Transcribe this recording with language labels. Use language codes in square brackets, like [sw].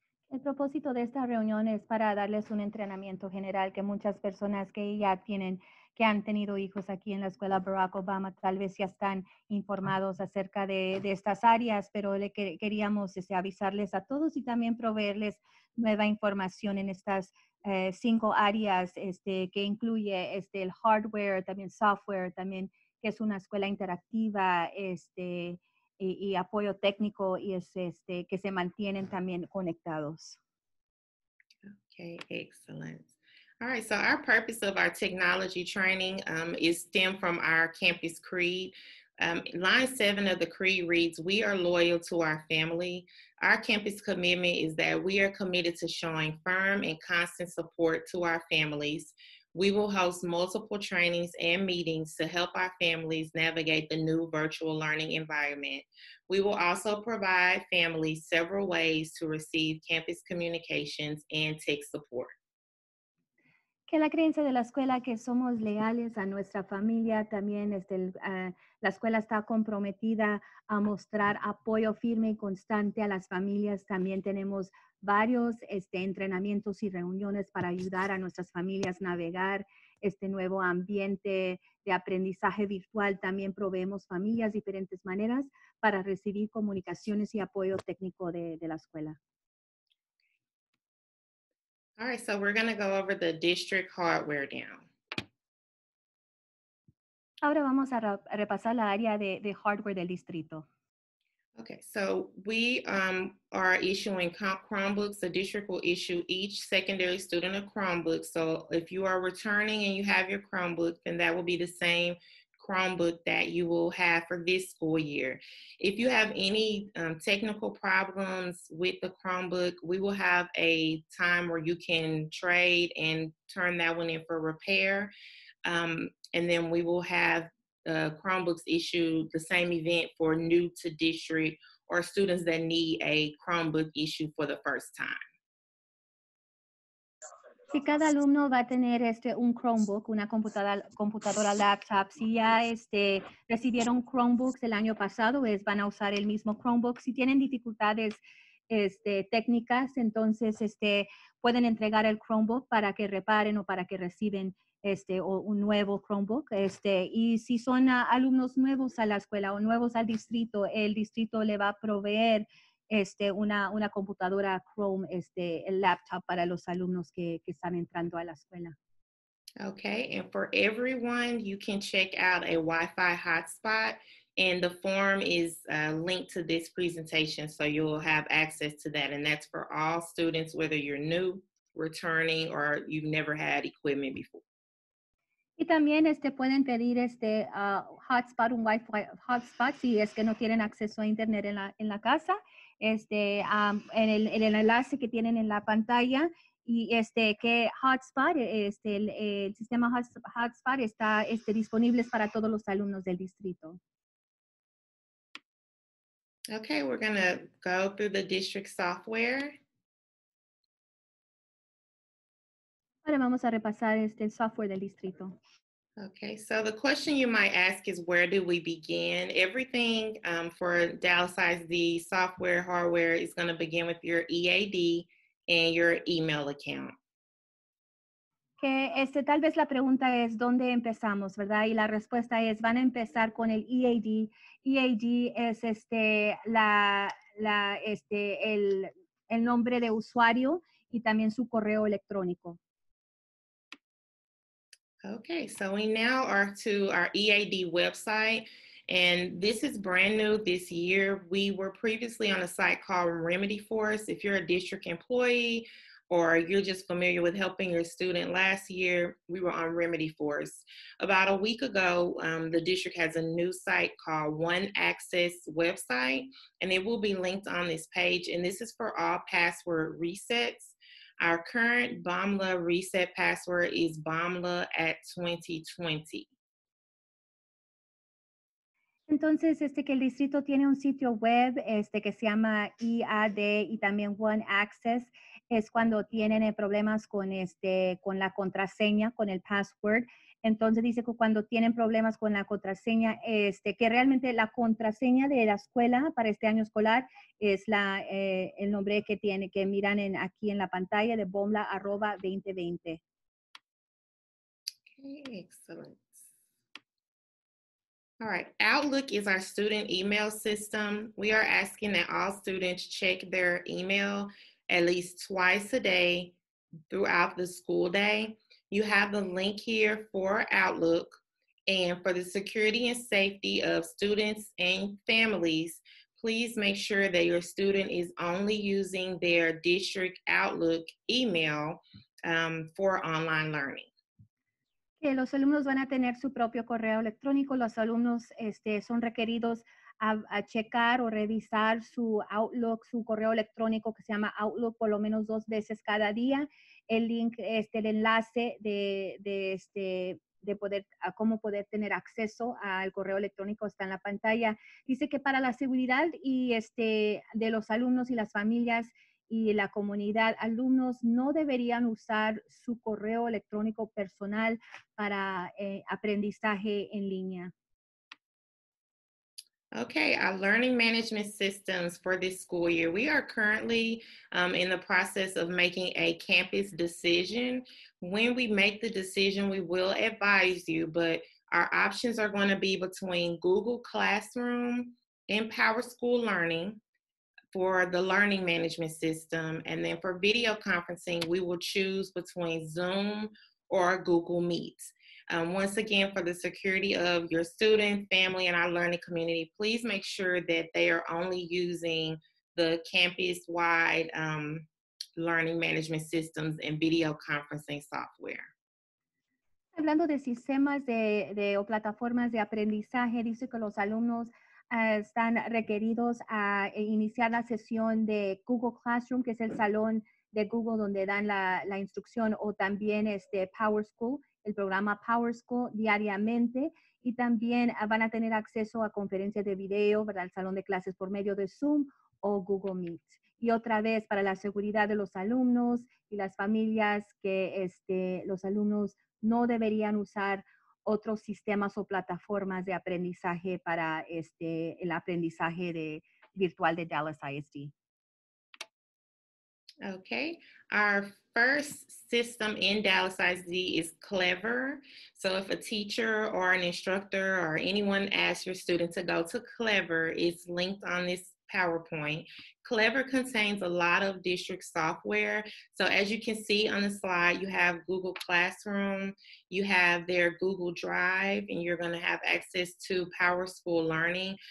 [es] El propósito de esta reunión es para darles un entrenamiento general que muchas personas que ya tienen que han tenido hijos aquí en la escuela Barack Obama, tal vez ya están informados acerca de estas áreas, pero le queríamos avisarles a todos y también proveerles nueva información en estas cinco áreas que incluye el hardware, también software, también que es una escuela interactiva y apoyo técnico y es que se mantienen también conectados. [en] Okay, excellent. All right, so our purpose of our technology training is stemmed from our campus creed. Line 7 of the creed reads, "We are loyal to our family." Our campus commitment is that we are committed to showing firm and constant support to our families. We will host multiple trainings and meetings to help our families navigate the new virtual learning environment. We will also provide families several ways to receive campus communications and tech support. [es] Que la creencia de la escuela que somos leales a nuestra familia, también la escuela está comprometida a mostrar apoyo firme y constante a las familias. También tenemos varios entrenamientos y reuniones para ayudar a nuestras familias a navegar este nuevo ambiente de aprendizaje virtual. También proveemos familias diferentes maneras para recibir comunicaciones y apoyo técnico de la escuela. [en] All right, so we're going to go over the district hardware now. [es] Ahora vamos a repasar la área de hardware del distrito. [en] Okay, so we are issuing Chromebooks. The district will issue each secondary student a Chromebook. So if you are returning and you have your Chromebook, then that will be the same Chromebook that you will have for this school year. If you have any technical problems with the Chromebook, we will have a time where you can trade and turn that one in for repair. And then we will have Chromebooks issued the same event for new to district or students that need a Chromebook issued for the first time. [es] Si cada alumno va a tener un Chromebook, una computadora laptop, si ya recibieron Chromebooks el año pasado, van a usar el mismo Chromebook. Si tienen dificultades técnicas, entonces pueden entregar el Chromebook para que reparen o para que reciben o un nuevo Chromebook. Y si son alumnos nuevos a la escuela o nuevos al distrito, el distrito le va a proveer una computadora Chrome, el laptop para los alumnos que están entrando a la escuela. [en] Okay, and for everyone, you can check out a Wi-Fi hotspot, and the form is linked to this presentation, so you'll have access to that, and that's for all students, whether you're new, returning, or you've never had equipment before. [es] Y también pueden pedir hotspot, un Wi-Fi hotspot, si no tienen acceso a internet en la casa. En el enlace que tienen en la pantalla y que hotspot, el sistema hotspot está disponible para todos los alumnos del distrito. [en] Okay, we're going to go through the district software. [es] Ahora vamos a repasar el software del distrito. [en] Okay, so the question you might ask is, where do we begin? Everything for Dallas ISD software, hardware is going to begin with your EAD and your email account. Ok, [es] Que este, tal vez la pregunta es, ¿dónde empezamos, verdad? Y la respuesta es, van a empezar con el EAD. EAD es este, el nombre de usuario y también su correo electrónico. [en] Okay, so we now are to our EAD website, and this is brand new this year. We were previously on a site called Remedy Force. If you're a district employee, or you're just familiar with helping your student, last year we were on Remedy Force. About a week ago, the district has a new site called One Access Website, and it will be linked on this page, and this is for all password resets. Our current BOMLA reset password is BOMLA at 2020. [es] Entonces, este que el distrito tiene un sitio web este que se llama EAD y también One Access, es cuando tienen problemas con este con la contraseña, con el password. Entonces dice que cuando tienen problemas con la contraseña, este que realmente la contraseña de la escuela para este año escolar es la el nombre que tiene que miran en aquí en la pantalla de BOMLA arroba 2020. [en] Okay, excellent. All right, Outlook is our student email system. We are asking that all students check their email at least twice a day throughout the school day. You have the link here for Outlook, and for the security and safety of students and families, please make sure that your student is only using their district Outlook email for online learning. [es] Los alumnos van a tener su propio correo electrónico. Los alumnos este, son requeridos a checar o revisar su Outlook, su correo electrónico que se llama Outlook, por lo menos dos veces cada día. El link, este, el enlace de poder, a cómo poder tener acceso al correo electrónico está en la pantalla. Dice que para la seguridad y este, de los alumnos y las familias, y la comunidad, alumnos no deberían usar su correo electrónico personal para aprendizaje en línea. [en] Okay, our learning management systems for this school year. We are currently in the process of making a campus decision. When we make the decision, we will advise you, but our options are going to be between Google Classroom and PowerSchool Learning for the learning management system. And then for video conferencing, we will choose between Zoom or Google Meet. Once again, for the security of your student, family, and our learning community, please make sure that they are only using the campus-wide learning management systems and video conferencing software. [es] Hablando de sistemas de o plataformas de aprendizaje, dice que los alumnos están requeridos a iniciar la sesión de Google Classroom, que es el salón de Google donde dan la instrucción, o también este PowerSchool, el programa PowerSchool, diariamente. Y también van a tener acceso a conferencias de video, ¿verdad? El salón de clases por medio de Zoom o Google Meet. Y otra vez, para la seguridad de los alumnos y las familias, que este, los alumnos no deberían usar otros sistemas o plataformas de aprendizaje para este el aprendizaje de virtual de Dallas ISD. [en] Okay, our first system in Dallas ISD is Clever. So if a teacher or an instructor or anyone asks your student to go to Clever, it's linked on this PowerPoint. Clever contains a lot of district software. So as you can see on the slide, you have Google Classroom, you have their Google Drive, and you're going to have access to PowerSchool Learning.